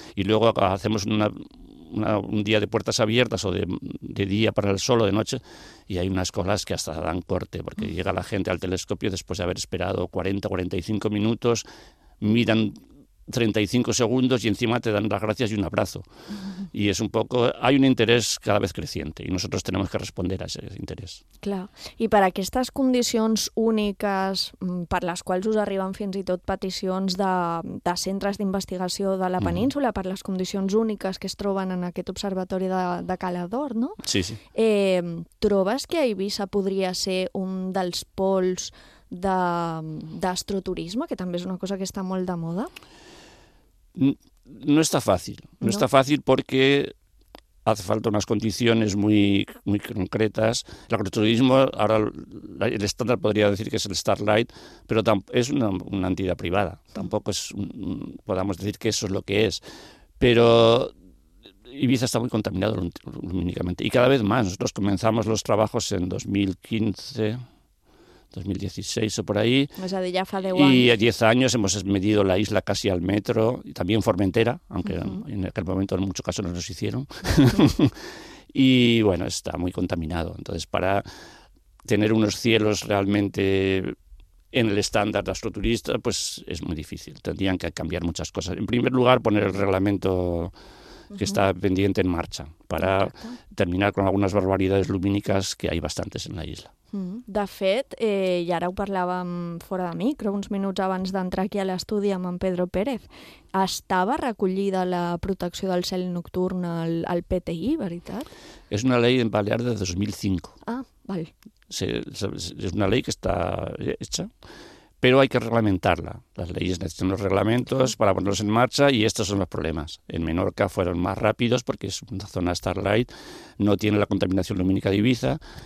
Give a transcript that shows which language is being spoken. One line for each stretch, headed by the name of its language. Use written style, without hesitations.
Spanish: Y luego hacemos un día de puertas abiertas o de día para el sol o de noche, y hay unas colas que hasta dan corte, porque llega la gente al telescopio después de haber esperado 40, 45 minutos, miran 35 segundos y encima te dan las gracias y un abrazo. Y es un poco, hay un interés cada vez creciente y nosotros tenemos que responder a ese interés.
Catalan: Clar. I per aquestes condicions úniques per les quals us arriben fins i tot peticions de centres d'investigació de la península, per les condicions úniques que es troben en aquest observatori de Calador, no? Sí, sí. Trobes que Eivissa podria ser un dels pols d'astroturisme, que també és una cosa que està molt de moda?
Spanish: No está fácil, no está fácil porque hace falta unas condiciones muy, muy concretas. El agroturismo, ahora el estándar podría decir que es el Starlight, pero es una entidad privada, tampoco es podamos decir que eso es lo que es. Pero Eivissa está muy contaminado lumínicamente y cada vez más. Nosotros comenzamos los trabajos en 2015... 2016 o por ahí, o sea, de ya fa 10 y a 10 años hemos medido la isla casi al metro, y también Formentera, aunque en aquel momento en muchos casos no nos hicieron, y bueno, está muy contaminado. Entonces, para tener unos cielos realmente en el estándar de astroturista, pues es muy difícil, tendrían que cambiar muchas cosas. En primer lugar, poner el reglamento que está pendiente en marcha, para terminar con algunas barbaridades lumínicas que hay bastantes en la isla.
Catalan: De fet, i ara ho parlàvem fora de micro, uns minuts abans d'entrar aquí a l'estudi amb en Pedro Pérez, estava recollida la protecció del cel nocturn al PTI, veritat? És una llei en Balear de 2005. Ah, val. És una llei que està
Spanish: hecha,
Catalan: però
Spanish: hay que reglamentarla.
Catalan: Les lleis necessiten els
Spanish: reglamentos para ponerlos en marcha y estos son los problemas. En Menorca fueron más rápidos porque es una zona Starlight, no tiene la contaminación lumínica de Eivissa.